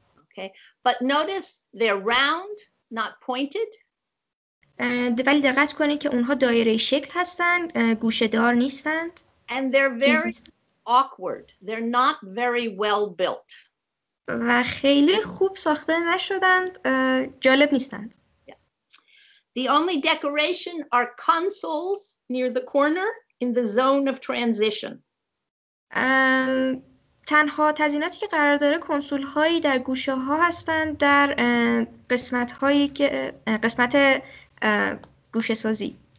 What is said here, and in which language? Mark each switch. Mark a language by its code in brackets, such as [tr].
[en] Okay. But notice they're round, not pointed. [fa] ولی دقت کنید که اونها دایره شکل هستند، گوشه دار نیستند. [en] And they're very awkward. They're not very well built. [fa] و خیلی خوب ساخته نشدند، جالب نیستند. [en] The only decoration are consoles near the corner in the zone of transition. [fa] تنها تزیناتی که قرار داره کنسول هایی در گوشه ها هستند در قسمت هایی که قسمت گوشه سازی.